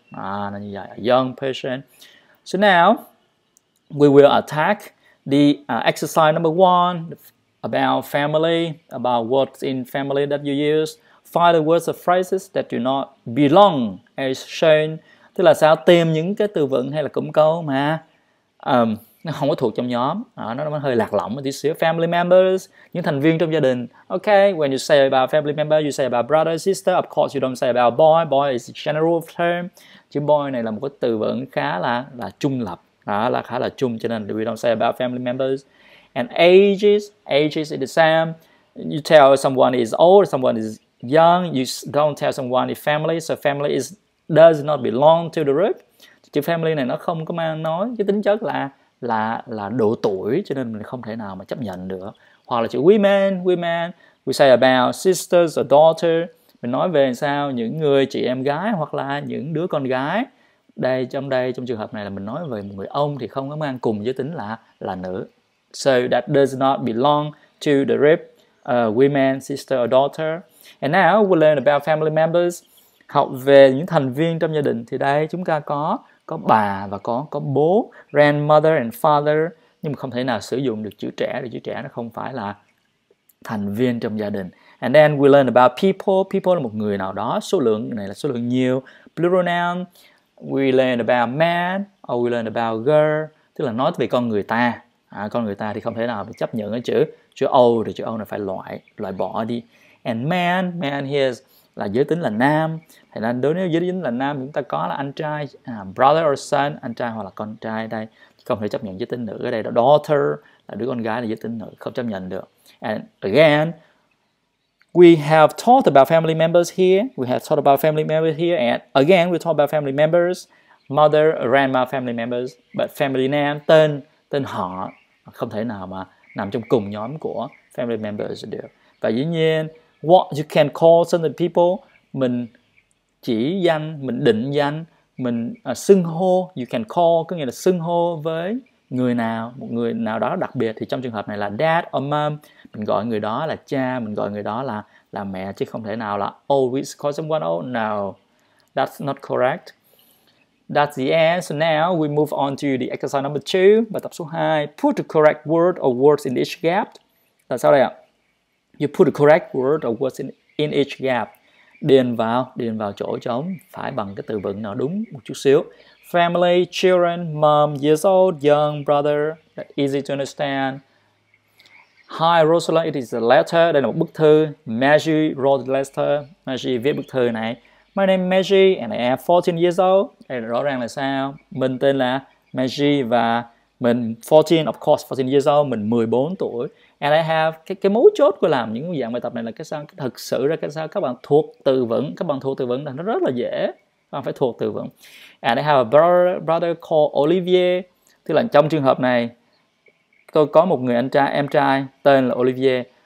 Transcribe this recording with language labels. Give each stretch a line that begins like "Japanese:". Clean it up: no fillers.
Vietnamese: À, là như vậy.
English: A young person. So now, we will attack the exercise number one about family, about words in family that you use. Find the words or phrases that do not belong as shown.
Vietnamese: Tức là sao? Tìm những cái từ vựng hay là cụm câu mà nó không có thuộc trong nhóm. Nó hơi lạc lõng một tí xíu.
English: Family members,
Vietnamese: những thành viên trong gia đình.
English: Okay, when you say about family member, you say about brother, sister. Of course, you don't say about boy. Boy is a general term.
Vietnamese: Chứ boy này là một cái từ vựng khá là trung lập. Đó, là khá là chung, cho nên
English: we don't say about family members. And ages is the same. You tell someone is old, someone is young. You don't tell someone is family. So family is does not belong to the group.
Vietnamese: Chữ family này nó không có mang nói cái tính chất là độ tuổi, cho nên mình không thể nào mà chấp nhận được. Hoặc là chữ
English: women, we say about sisters or daughter.
Vietnamese: Mình nói về sao những người chị em gái hoặc là những đứa con gái. Trong trường hợp này là mình nói về một người ông thì không có mang cùng giới tính là nữ.
English: So that does not belong to the group, women, sister or daughter. And now we learn about family members.
Vietnamese: Học về những thành viên trong gia đình thì đây chúng ta có bà và có bố,
English: grandmother and father,
Vietnamese: nhưng mà không thể nào sử dụng được chữ trẻ, vì chữ trẻ nó không phải là thành viên trong gia đình.
English: And then we learn about people.
Vietnamese: People là một người nào đó, số lượng này là số lượng nhiều, plural noun.
English: We learn about man or we learn about girl,
Vietnamese: tức là nói về con người ta. Con người ta thì không thể nào chấp nhận cái chữ old, thì chữ old này phải loại bỏ đi.
English: And man here is
Vietnamese: là giới tính là nam. Thì nên đối với giới tính là nam chúng ta có là anh trai,
English: brother or son,
Vietnamese: anh trai hoặc là con trai đây. Không thể chấp nhận giới tính nữ ở đây. Daughter là đứa con gái, là giới tính nữ, không chấp nhận được.
English: And again, we have talked about family members here. We have talked about family members here. And again, we talk about family members, mother, grandma, family members. But family name,
Vietnamese: tên họ, không thể nào mà nằm trong cùng nhóm của family members được. Và dĩ nhiên,
English: what you can call certain people,
Vietnamese: mình chỉ danh, mình định danh, mình xưng hô,
English: you can call,
Vietnamese: có nghĩa là xưng hô với người nào, một người nào đó đặc biệt, thì trong trường hợp này là
English: dad or mom,
Vietnamese: mình gọi người đó là cha, mình gọi người đó là mẹ, chứ không thể nào là
English: always call someone old. No, that's not correct. That's the end. So now we move on to the exercise number 2,
Vietnamese: bài tập số 2,
English: put the correct word or words in each gap.
Vietnamese: Là sao đây ạ?
English: You put the correct word or words in each gap.
Vietnamese: Điền vào chỗ trống phải bằng cái từ vựng nào đúng một chút xíu.
English: Family, children, mom, years old, young, brother, easy to understand. Hi Rosalie, it is a letter.
Vietnamese: Đây là một bức thư.
English: Maggie wrote the letter.
Vietnamese: Maggie viết bức thư này.
English: My name is Maggie and I am 14 years old.
Vietnamese: Đây là rõ ràng là sao? Mình tên là Maggie và mình 14,
English: of course, 14 years old,
Vietnamese: mình 14 tuổi.
English: And I have,
Vietnamese: cái mấu chốt của làm những dạng bài tập này là cái sao? Thực sự ra cái sao? Các bạn thuộc từ vựng là nó rất là dễ. Các bạn phải thuộc từ vựng.
English: And I have a brother called Olivier.
Vietnamese: Tức là trong trường hợp này, tôi có một người anh trai, em trai, tên là Olivier.